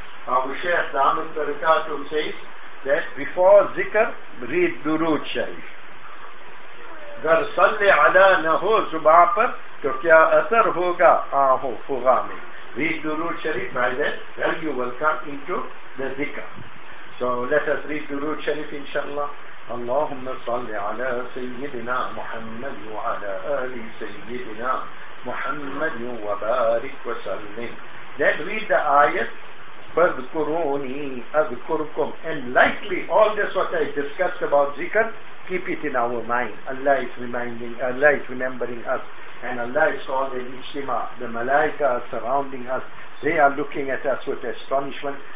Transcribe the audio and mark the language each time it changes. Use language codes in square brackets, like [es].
[en] Our Shaykh Damat Barakatum says that before zikr, read Durood Sharif. [ur] Gar salli ala na ho zuba par, to kya asar hoga aho fuga mein. [en] Read Durood Sharif, by that value will come into the zikr. So let us read Durood Sharif inshallah. [ar] اللهم صل على سيدنا محمد وعلى آل سيدنا محمد وبارك وسلم. [en] Then read the ayat [ar] فاذكروني أذكركم. [en] And likely all this what I discussed about zikr, keep it in our mind. Allah is reminding, Allah is remembering us, and Allah is calling ijtima, the malaika are surrounding us, they are looking at us with astonishment.